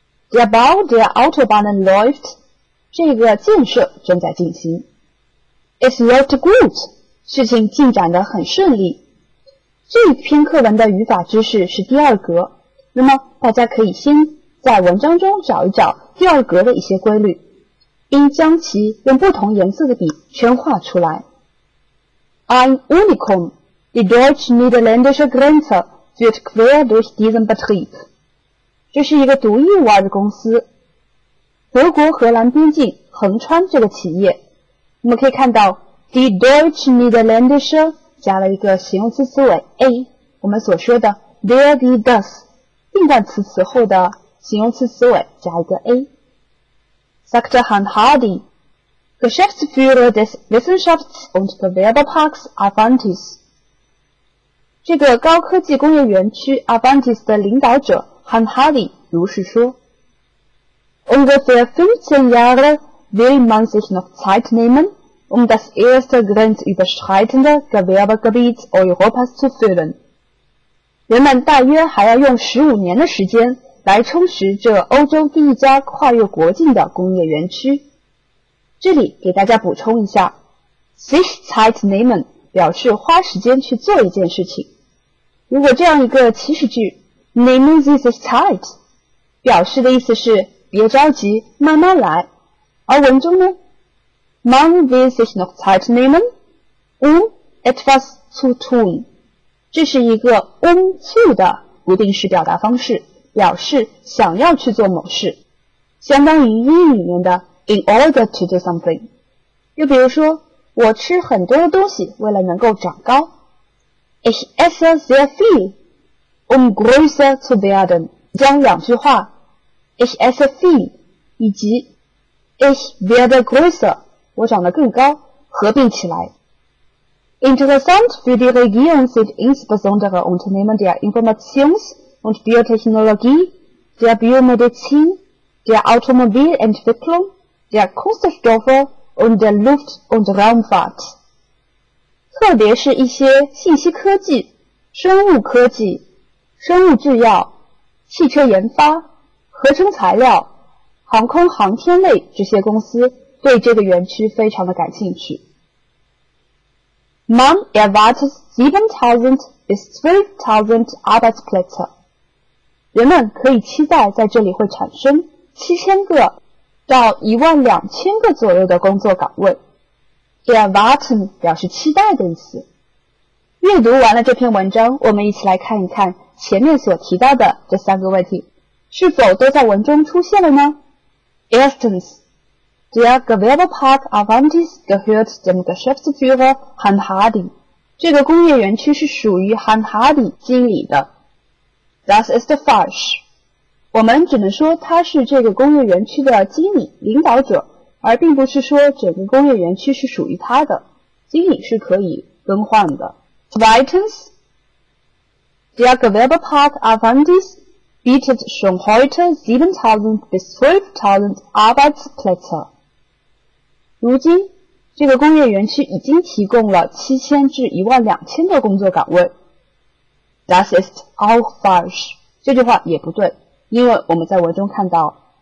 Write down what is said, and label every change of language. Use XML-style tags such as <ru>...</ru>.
<de>Der Bau der Autobahnen läuft,</de> <zh>这个建设正在进行。</zh> <en>It's not good,</en> <zh>事情进展得很顺利。这篇课文的语法知识是第二格，那么大家可以先在文章中找一找第二格的一些规律。应将其用不同颜色的笔圈画出来。</zh> <de>Ein Unikum, die deutsch-niederländische Grenze führt quer durch diesen Betrieb.</de> <zh>这是一个独一无二的公司。德国荷兰边境横穿这个企业。我们可以看到</zh> <de>die deutsch-niederländische</de> <zh>加了一个形容词词尾 a, 我们所说的</zh> <de>der die das,</de> <zh>并在词词后的形容词词尾加一个 a。</zh> <de>Sagte Herrn Hardy, Geschäftsführer des Wissenschafts- und Gewerbeparks Avantis.</de> <zh>这个高科技工业园区 Avantis 的领导者 Herrn Hardy 如是说。</zh> <de>Ungefähr 15 Jahre will man sich noch Zeit nehmen, um das erste grenzüberschreitende Gewerbegebiet Europas zu füllen.</de> <zh>人们大约还要用15年的时间来充实这欧洲第一家跨越国境的工业园区。这里给大家补充一下</zh> <de>sich Zeit nehmen</de> <zh>表示花时间去做一件事情。如果这样一个祈使句</zh> <de>nehmen Sie sich Zeit</de> <zh>表示的意思是别着急，慢慢来。而文中呢</zh> <de>man will sich noch Zeit nehmen um etwas zu tun</de> <zh>这是一个 um zu 的不定式表达方式，表示想要去做某事，相当于英语里面的</zh> <en>in order to do something。</en> <zh>又比如说，我吃很多的东西，为了能够长高。</zh> <de>Ich esse sehr viel, um größer zu werden。</de> <zh>将两句话</zh> <de>，Ich esse viel</de> <zh>以及</zh> <de>Ich werde größer，</de> <zh>我长得更高，合并起来。</zh> <de>Interessant für die Region sind insbesondere Unternehmen der Informations-und Biotechnologie, der Biomedizin, der Automobilentwicklung, der Kunststoffe und der Luft- und Raumfahrt.</de> <zh>特别是一些信息科技、生物科技、生物制药、汽车研发、合成材料、航空航天类这些公司对这个园区非常的感兴趣。</zh> <de>Man erwartet 7000 bis 12000 Arbeitsplätze.</de> <zh>人们可以期待在这里会产生7000个到12000个左右的工作岗位。 Erwarten 表示期待的意思。阅读完了这篇文章，我们一起来看一看前面所提到的这三个问题，是否都在文中出现了呢？</zh> <de>Erstens, der Gewerbepark Avantis gehört dem Geschäftsführer Herrn Hardy.</de> <zh>这个工业园区是属于 Herrn Hardy 经理的。</zh> <de>Das ist falsch.</de> <zh>我们只能说他是这个工业园区的经理、领导者，而并不是说整个工业园区是属于他的，经理是可以更换的。</zh> <de>Zweitens, der Gewerbepark Avandis bietet schon heute 7.000 bis 12.000 Arbeitsplätze.</de> <zh>如今这个工业园区已经提供了7000至12000的工作岗位。</zh> <de>Das ist auch falsch.</de> <zh>这句话也不对，因为我们在文中看到</zh>